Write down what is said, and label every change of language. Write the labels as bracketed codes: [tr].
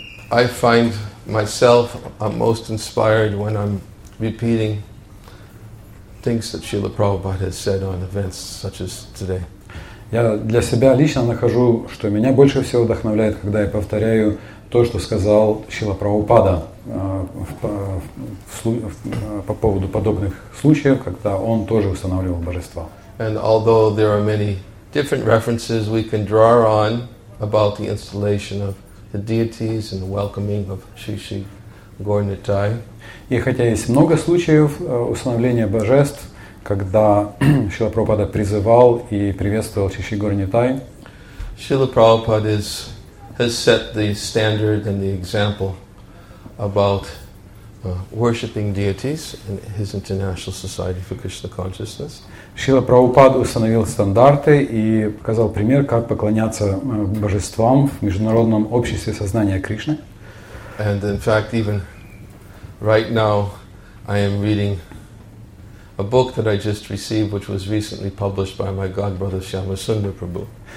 [en] I find myself most inspired when I'm repeating things that Srila Prabhupada has said on events such as today. [ru] Я для себя лично нахожу, что меня больше всего вдохновляет, когда я повторяю то, что сказал Шрила Прабхупада по поводу подобных случаев, когда он тоже устанавливал божества. [en] And although there are many different references we can draw on about the installation of the deities and the welcoming of Shri Shri Gaur Nittai. [ru] И хотя есть много случаев установления божеств, когда Шрила Прабхупада призывал и приветствовал Шри Шри Гаур Нитай, [en] Шрила Прабхупада has set the standard and the example about worshipping deities in his International Society for Krishna Consciousness. [ru] Шрила Прабхупада установил стандарты и показал пример, как поклоняться божествам в Международном обществе сознания Кришны. [en] And in fact, even right now, I am reading a book that I just received, which was recently published by my godbrother Shyama Sundar Prabhu.